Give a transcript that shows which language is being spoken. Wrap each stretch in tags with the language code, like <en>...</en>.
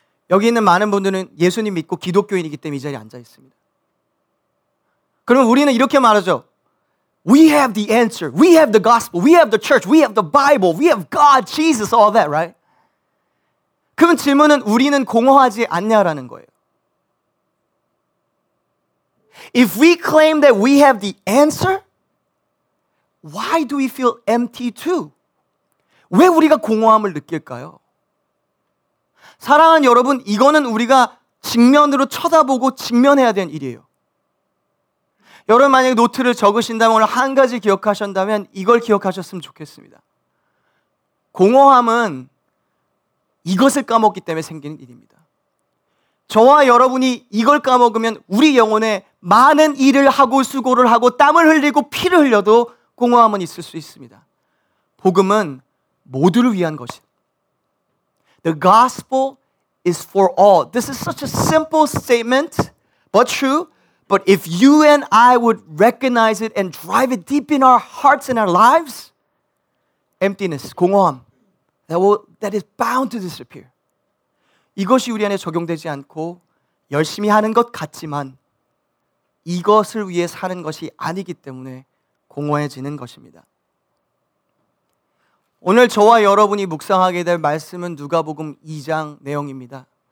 <ko>여기 있는 많은 분들은 예수님 믿고 기독교인이기 때문에 이 자리에 앉아 있습니다. 그러면 우리는 이렇게 말하죠.</ko> <en>We have the answer. We have the gospel. We have the church. We have the Bible. We have God, Jesus, all that, right?</en> <ko>그러면 질문은 우리는 공허하지 않냐라는 거예요.</ko> <en>If we claim that we have the answer, why do we feel empty too?</en> <ko>왜 우리가 공허함을 느낄까요? 사랑하는 여러분, 이거는 우리가 직면으로 쳐다보고 직면해야 되는 일이에요. 여러분 만약에 노트를 적으신다면 오늘 한 가지 기억하셨다면 이걸 기억하셨으면 좋겠습니다. 공허함은 이것을 까먹기 때문에 생기는 일입니다. 저와 여러분이 이걸 까먹으면 우리 영혼에 많은 일을 하고 수고를 하고 땀을 흘리고 피를 흘려도 공허함은 있을 수 있습니다. 복음은 모두를 위한 것이에요.</ko> <en>The gospel is for all. This is such a simple statement, but true. But if you and I would recognize it and drive it deep in our hearts and our lives, emptiness, 공허함, that is bound to disappear.</en> <ko>이것이 우리 안에 적용되지 않고 열심히 하는 것 같지만 이것을 위해 사는 것이 아니기 때문에 공허해지는 것입니다. 오늘 저와 여러분이 묵상하게 될 말씀은 누가복음 2장 내용입니다.</ko>